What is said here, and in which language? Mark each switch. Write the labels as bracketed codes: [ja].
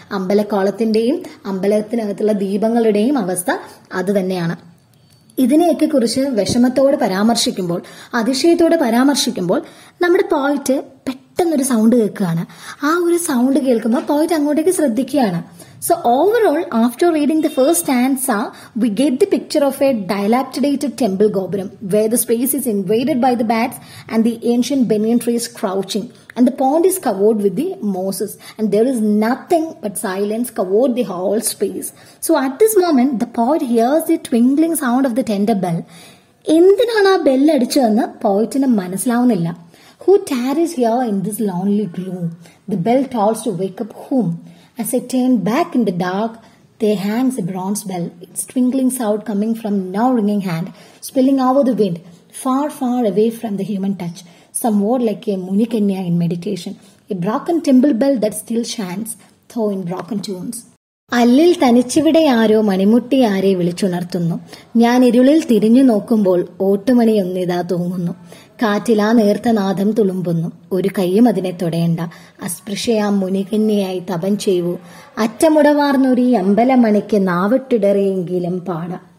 [ml] അമ്പലക്കോളത്തിന്റെയും അമ്പലത്തിനകത്തുള്ള ദീപങ്ങളുടെയും അവസ്ഥ അത് തന്നെയാണ്. ഇതിനെയൊക്കെ കുറിച്ച് വിഷമത്തോടെ പരാമർശിക്കുമ്പോൾ, അതിശയത്തോടെ പരാമർശിക്കുമ്പോൾ, നമ്മുടെ പോയിറ്റ് പെട്ടെന്നൊരു സൗണ്ട് കേൾക്കുകയാണ്. ആ ഒരു സൗണ്ട് കേൾക്കുമ്പോൾ പോയിറ്റ് അങ്ങോട്ടേക്ക് ശ്രദ്ധിക്കുകയാണ്. [en] So overall, after reading the first stanza, we get the picture of a dilapidated temple gopuram where the space is invaded by the bats and the ancient banyan tree is crouching and the pond is covered with the mosses and there is nothing but silence covered the whole space. So at this moment, the poet hears the twinkling sound of the tender bell. [ml] എന്തിനാണ് ആ bell അടിച്ചതെന്ന് പോയിറ്റിന് മനസ്സിലാവുന്നില്ല. [en] Who tarries here in this lonely gloom? The bell tolls to wake up whom? As I turn back in the dark, there hangs a bronze bell, its twinkling sound coming from no ringing hand, spilling over the wind, far, far away from the human touch, somewhat like a munikanya in meditation, a broken temple bell that still chants, though in broken tunes. [ml] അല്ലിൽ തനിച്ചിവിടെ ആരോ മണിമുട്ടി ആരെ വിളിച്ചുണർത്തുന്നു. ഞാൻ ഇരുളിൽ തിരിഞ്ഞു നോക്കുമ്പോൾ ഓട്ടുമണിയൊന്നിതാ തൂങ്ങുന്നു. കാറ്റിലാ നേർത്ത നാദം തുളുമ്പുന്നു. ഒരു കൈയും അതിനെ തൊടയണ്ട. അസ്പൃശയാ മുനികന്യയായി തപം ചെയ്യൂ. അറ്റമുടവാർന്നൊരു അമ്പലമണിക്ക് നാവിട്ടിടറിയെങ്കിലും പാട.